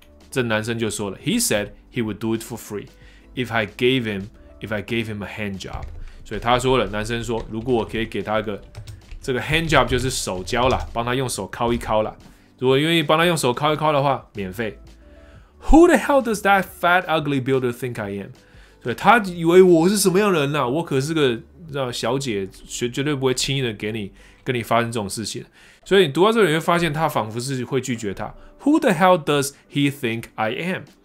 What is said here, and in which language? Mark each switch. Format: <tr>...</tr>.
<zh>这男生就说了</zh> <en>，He said he would do it for free if I gave him a hand job。</en> <zh>所以他说了，男生说，如果我可以给他一个这个 hand job， 就是手交了，帮他用手敲一敲了。如果愿意帮他用手敲一敲的话，免费。</zh> <en>Who the hell does that fat ugly builder think I am？</en> <zh>所以他以为我是什么样的人呢、啊？我可是个让小姐绝对不会轻易的跟你发生这种事情。所以你读到这里，你会发现他仿佛是会拒绝他。</zh> <en>Who the hell does he think I am？</en>